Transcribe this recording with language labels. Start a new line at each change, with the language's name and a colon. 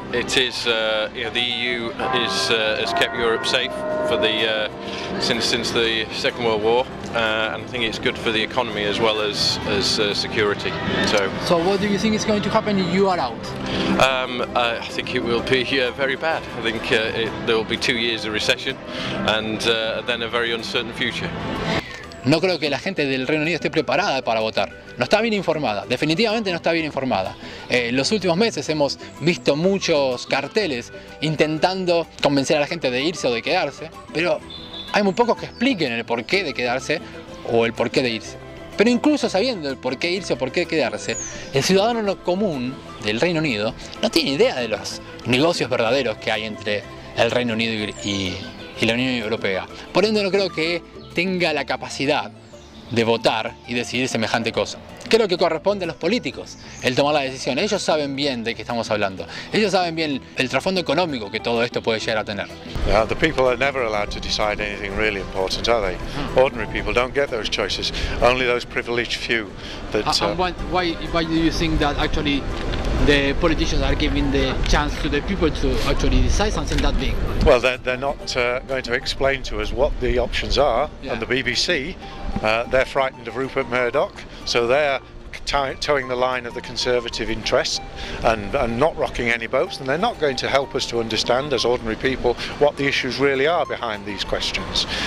English: It is, you know, the EU has kept Europe safe for since the Second World War, and I think it's good for the economy as well as security. So what do you think is going to happen if you are out? I think it will be very bad. I think there will be 2 years of recession and then a very uncertain future.
Spanish: No creo que la gente del Reino Unido esté preparada para votar. No está bien informada, definitivamente no está bien informada. En los últimos meses hemos visto muchos carteles intentando convencer a la gente de irse o de quedarse, pero hay muy pocos que expliquen el porqué de quedarse o el porqué de irse. Pero incluso sabiendo el porqué irse o por qué quedarse, el ciudadano común del Reino Unido no tiene idea de los negocios verdaderos que hay entre el Reino Unido y la Unión Europea. Por ende, no creo que tenga la capacidad de votar y decidir semejante cosa. Creo que corresponde a los políticos el tomar la decisión. Ellos saben bien de qué estamos hablando. Ellos saben bien el trasfondo económico que todo esto puede llegar a tener.
English: The people are never allowed to decide anything really important, are they? Ordinary people don't get those choices. Only those privileged few. Why do you think that actually the politicians are giving the chance to the people to actually decide something that big? Well, they're not going to explain to us what the options are, yeah. And the BBC, they're frightened of Rupert Murdoch, so they're towing the line of the Conservative interest and not rocking any boats, and they're not going to help us to understand, as ordinary people, what the issues really are behind these questions.